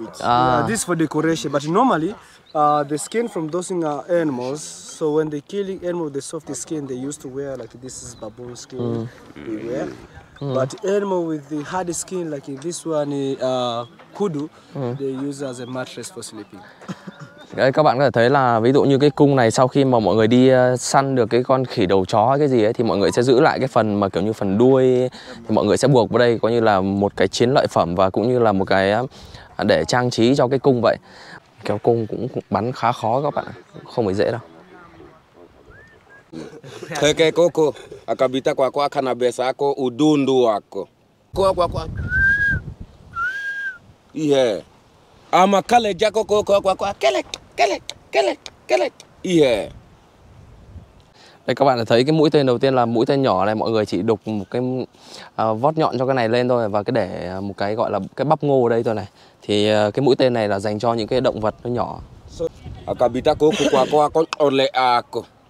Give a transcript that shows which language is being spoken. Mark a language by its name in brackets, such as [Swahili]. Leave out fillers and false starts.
[English] Yeah, this for decoration, but normally. The skin from those animals, so when they killing animal with the soft skin, they used to wear like this is baboon skin they wear. But animal with the hard skin like this one, kudu, they use as a mattress for sleeping. [Vietnamese] Đấy, các bạn có thể thấy là ví dụ như cái cung này sau khi mà mọi người đi săn được cái con khỉ đầu chó hay cái gì ấy thì mọi người sẽ giữ lại cái phần mà kiểu như phần đuôi thì mọi người sẽ buộc vào đây coi như là một cái chiến lợi phẩm và cũng như là một cái để trang trí cho cái cung vậy. Kéo cung cũng bắn khá khó các bạn ạ, không phải dễ đâu. Keke koko, akabita kwako akana besa ako udundu wako. Kwa kwa kwa. Ihe. Ama kale jako koko kwa kwa. Kele, kele, kele, kele. Ihe. Đây các bạn đã thấy cái mũi tên đầu tiên là mũi tên nhỏ này, mọi người chỉ đục một cái vót nhọn cho cái này lên thôi và cái để một cái gọi là cái bắp ngô ở đây thôi này. Thì cái mũi tên này là dành cho những cái động vật nó nhỏ. Akabita koko kwa kwa kon oleako.